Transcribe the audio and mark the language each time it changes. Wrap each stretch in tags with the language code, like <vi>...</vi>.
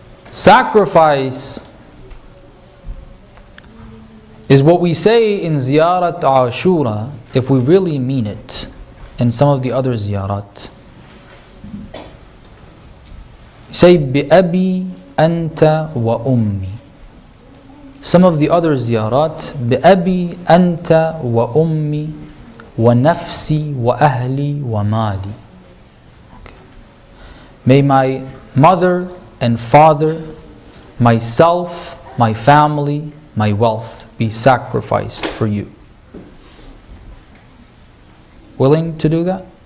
<en>Sacrifice is what we say in Ziyarat Ashura, if we really mean it, and some of the other Ziyarat.</en> <ar>Say, بِأَبِي أَنْتَ وَأُمِّي.</ar> <en>Some of the other ziyarat,</en> <ar>بِأَبِي أَنْتَ وَأُمِّي وَنَفْسِي وَأَهْلِي وَمَالِي.</ar> <en>May my mother and father, myself, my family, my wealth be sacrificed for you. Willing to do that?</en>